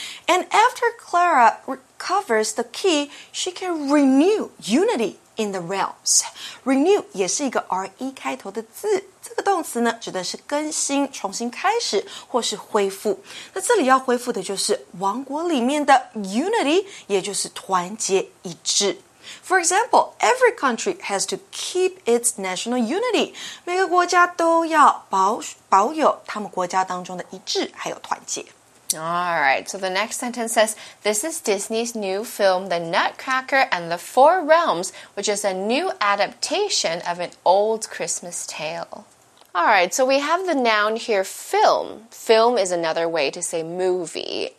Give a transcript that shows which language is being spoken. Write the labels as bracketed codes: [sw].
[en] And after Clara recovers the key, she can renew unity in the realms. [zh] Renew 也是一个 RE 开头的字。这个动词呢指的是更新、重新开始或是恢复。那这里要恢复的就是王国里面的 unity, 也就是团结一致。 [en] For example, every country has to keep its national unity. [zh] 每个国家都要保有他们国家当中的一致还有团结。 [en] All right, so the next sentence says, this is Disney's new film, The Nutcracker and the Four Realms, which is a new adaptation of an old Christmas tale. Alright, so we have the noun here, film. Film is another way to say movie.